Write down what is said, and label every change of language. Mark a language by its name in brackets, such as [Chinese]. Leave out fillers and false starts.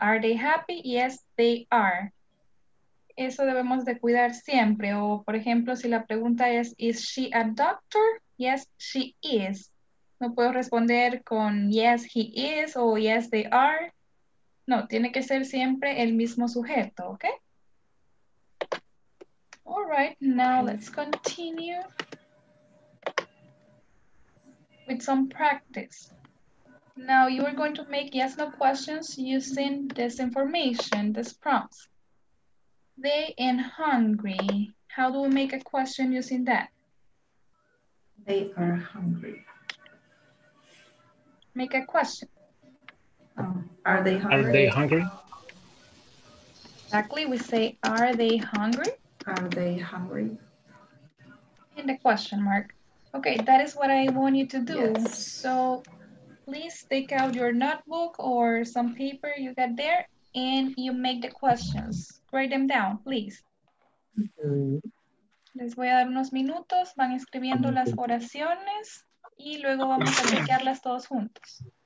[English] Are they happy? Yes, they are. [Spanish] Eso debemos de cuidar siempre. O, por ejemplo, si la pregunta es, [English] is she a doctor? Yes, she is. [Spanish] No puedo responder con [English] yes, he is o yes, they are. [Spanish] No, tiene que ser siempre el mismo sujeto, ¿ok? [English] All right, now let's continue with some practice. Now you are going to make yes, no questions using this information, this prompts. They and hungry. How do we make a question using that? They are hungry. Make a question. Are they hungry? Exactly, we say, are they hungry? Are they hungry? And a question mark. Okay, that is what I want you to do. Yes. So please take out your notebook or some paper you got there and you make the questions. Write them down, please. [Spanish] Les voy a dar unos minutos, van escribiendo las oraciones y luego vamos a chequearlas todos juntos.